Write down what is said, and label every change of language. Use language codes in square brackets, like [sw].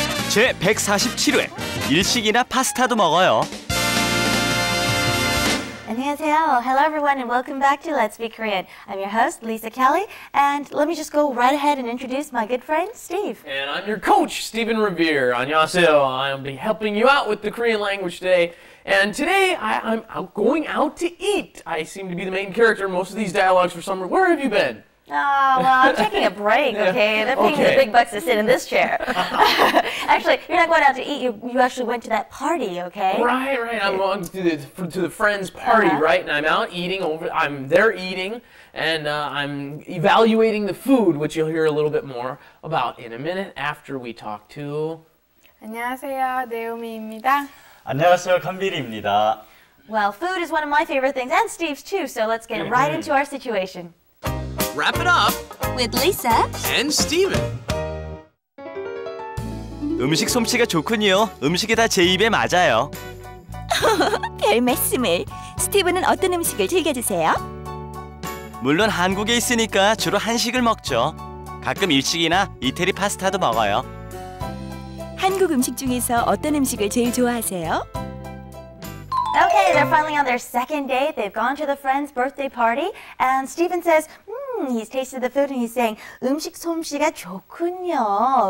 [ko] 제147회 일식이나 파스타도 먹어요. 안녕하세요. [en] Hello everyone and welcome back to Let's Be Korean. I'm your host Lisa Kelly and let me just go right ahead and introduce my good friend Steve. And I'm your coach Stephen Revere. [ko] 안녕하세요. [en] I'll be helping you out with the Korean language today. And today, I'm going out to eat. I seem to be the main character in most of these dialogues for summer. Where have you been? Oh, well, I'm taking a break, okay? They're paying me big bucks to sit in this chair. Actually, you're not going out to eat. You actually went to that party, okay? Right. I'm going to the friend's party, right? And I'm out eating. I'm there eating. And I'm evaluating the food, which you'll hear a little bit more about in a minute after we talk to... [ko] 안녕하세요, 네오미입니다. 안녕하세요, 건빌입니다. [en] Well, food is one of my favorite things, and Steve's too, so let's get right into our situation. Wrap it up with Lisa and Steven. [ko] 음식 솜씨가 좋군요. 음식이 다 제 입에 맞아요. 별 말씀을. 스티븐은 어떤 음식을 즐겨주세요? 물론 한국에 있으니까 주로 한식을 먹죠. 가끔 일식이나 이태리 파스타도 먹어요. 한국 음식 중에서 어떤 음식을 제일 좋아하세요? [en] Okay, they're finally on their second date. They've gone to the friend's birthday party. And Stephen says, he's tasted the food and he's saying, [ko] 음식 솜씨가 좋군요.